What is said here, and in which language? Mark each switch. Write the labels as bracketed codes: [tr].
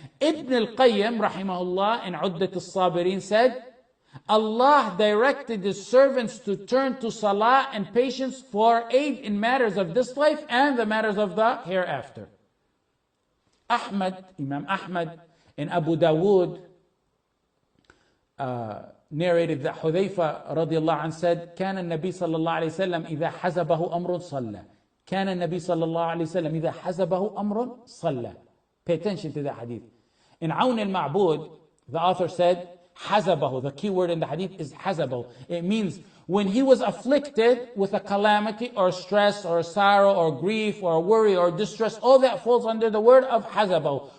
[en] Ibn al-Qayyim رحمه الله in عدة الصابرين said Allah directed his servants to turn to salah and patience for aid in matters of this life and the matters of the hereafter. Ahmad, Imam Ahmad in Abu Dawood narrated that Hudhayfa radiallahu anhu said, [ar] كان النبي صلى الله عليه وسلم إذا حزبه أمر صلى. كان النبي صلى الله عليه وسلم إذا حزبه أمر صلى. [en] Pay attention to that hadith. In عون المعبود, the author said, حزبه, the key word in the hadith is حزبه. It means when he was afflicted with a calamity or stress or sorrow or grief or worry or distress, all that falls under the word of حزبه.